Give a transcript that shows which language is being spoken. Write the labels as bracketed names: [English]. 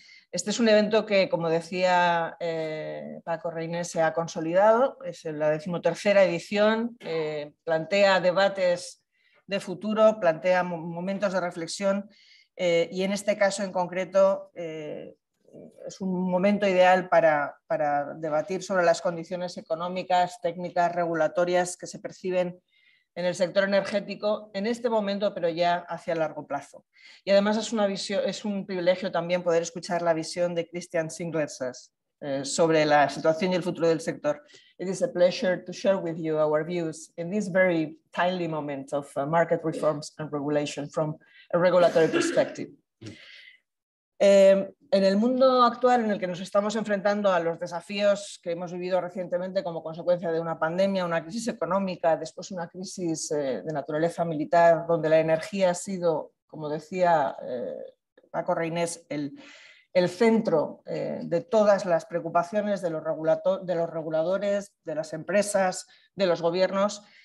[Spanish] Este es un evento que, como decía Paco Reines, se ha consolidado, es la 13ª edición, plantea debates de futuro, plantea momentos de reflexión y en este caso en concreto es un momento ideal para debatir sobre las condiciones económicas, técnicas, regulatorias que se perciben en el sector energético en este momento, pero ya hacia largo plazo. Y además es un privilegio también poder escuchar la visión de Christian Zinglersen sobre la situación y el futuro del sector. [English] It is a pleasure to share with you our views in this very timely moment of market reforms and regulation from a regulatory perspective. [Spanish] En el mundo actual en el que nos estamos enfrentando a los desafíos que hemos vivido recientemente como consecuencia de una pandemia, una crisis económica, después una crisis de naturaleza militar, donde la energía ha sido, como decía Paco Reines, el centro de todas las preocupaciones de los reguladores, de las empresas, de los gobiernos,